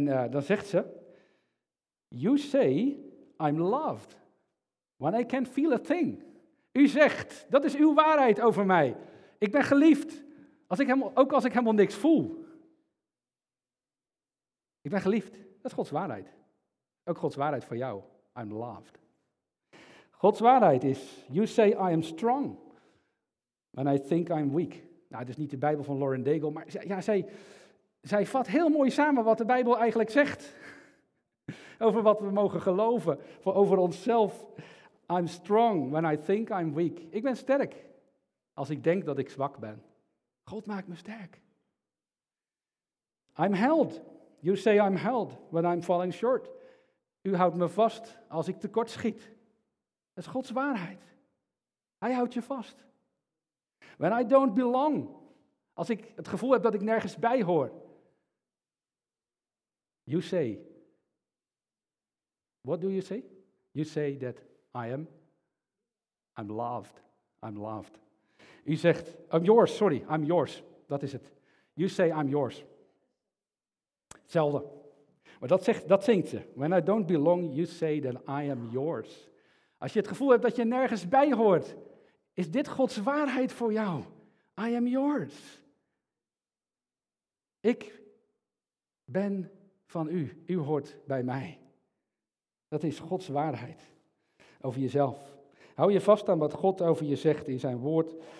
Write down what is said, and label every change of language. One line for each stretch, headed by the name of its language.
Dutch: Dan zegt ze,
English: you say I'm loved when I can't feel a thing.
Dutch: U zegt, dat is uw waarheid over mij. Ik ben geliefd, als ik helemaal niks voel. Ik ben geliefd, dat is Gods waarheid. Ook Gods waarheid voor jou,
English: I'm loved.
Dutch: Gods waarheid is,
English: you say I am strong when I think I'm weak.
Dutch: Nou, het is niet de Bijbel van Lauren Daigle, maar ja, zij vat heel mooi samen wat de Bijbel eigenlijk zegt. Over wat we mogen geloven, over onszelf.
English: I'm strong when I think I'm weak.
Dutch: Ik ben sterk als ik denk dat ik zwak ben. God maakt me sterk.
English: I'm held. You say I'm held when I'm falling short.
Dutch: U houdt me vast als ik tekort schiet. Dat is Gods waarheid. Hij houdt je vast.
English: When I don't belong.
Dutch: Als ik het gevoel heb dat ik nergens bij hoor.
English: You say. What do you say? You say that I'm loved. I'm loved.
Dutch: U zegt,
English: I'm yours.
Dutch: Dat is het.
English: You say I'm yours.
Dutch: Hetzelfde. Maar dat zingt ze.
English: When I don't belong, you say that I am yours.
Dutch: Als je het gevoel hebt dat je nergens bij hoort, is dit Gods waarheid voor jou.
English: I am yours.
Dutch: Ik ben van u. U hoort bij mij. Dat is Gods waarheid over jezelf. Hou je vast aan wat God over je zegt in zijn woord.